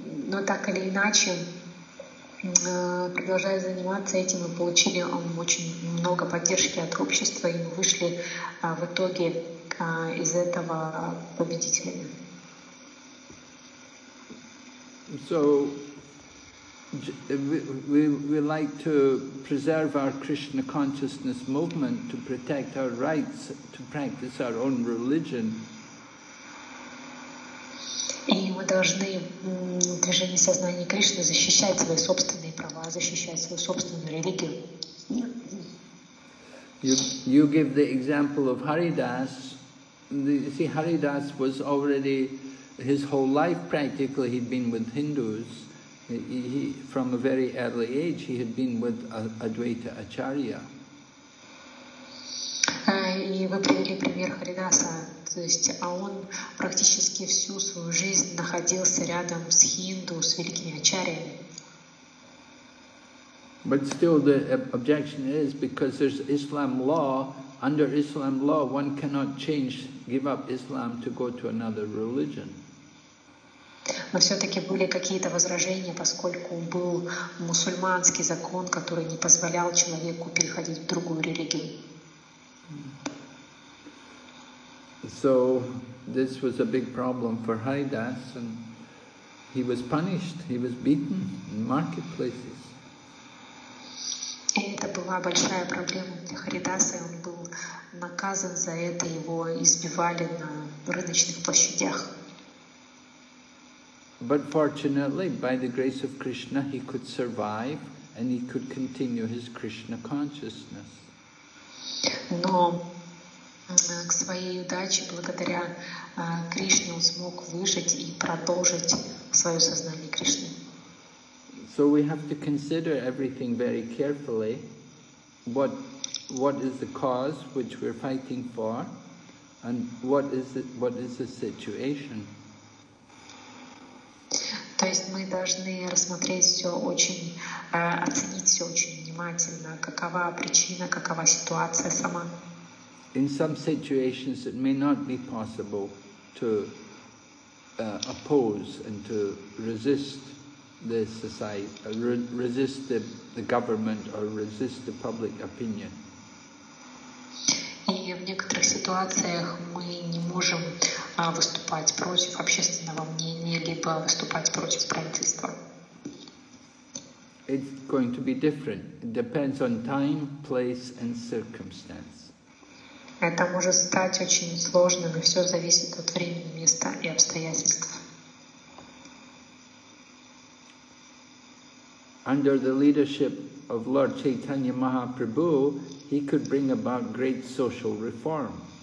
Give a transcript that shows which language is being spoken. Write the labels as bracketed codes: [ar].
[ru] Но так или иначе, продолжая заниматься этим, мы получили очень много поддержки от общества, и мы вышли в итоге из этого победителями. [en] So. We like to preserve our Krishna consciousness movement to protect our rights to practice our own religion. [ru] И мы должны движение сознания Кришны защищать свои собственные права, защищать свою собственную религию. [en] You give the example of Haridas. See, Haridas was already his whole life practically he'd been with Hindus. He, from a very early age, he had been with Advaita Acharya. [ru] И вы привели пример Харидаса, то есть, а он практически всю свою жизнь находился рядом с хинду, с великими ачарьями. [en] But still, the objection is because there's Islam law. Under Islam law, one cannot change, give up Islam to go to another religion. [ru] Но все-таки были какие-то возражения, поскольку был мусульманский закон, который не позволял человеку переходить в другую религию. [en] So this was a big problem for Haridas, and he was punished, he was beaten in marketplaces. [ru] И это была большая проблема для Харидаса, и он был наказан за это, его избивали на рыночных площадях. [en] But fortunately, by the grace of Krishna, he could survive and he could continue his Krishna consciousness. [ru] Но к своей удаче, благодаря Кришне, он смог выжить и продолжить свое сознание Кришны. [en] So we have to consider everything very carefully. What is the cause which we're fighting for, and what is the situation? [ru] То есть мы должны рассмотреть все очень, оценить все очень внимательно. Какова причина, какова ситуация сама? [en] In some situations, it may not be possible to oppose and to resist the society, resist the government, or resist the public opinion. [ru] И в некоторых ситуациях мы не можем выступать против общественного мнения либо выступать против правительства. [en] It's going to be different. It depends on time, place, and circumstance. [ru] Это может стать очень сложным, и все зависит от времени, места и обстоятельств. [en] Under the leadership of Lord Chaitanya Mahaprabhu, he could bring about great social reform.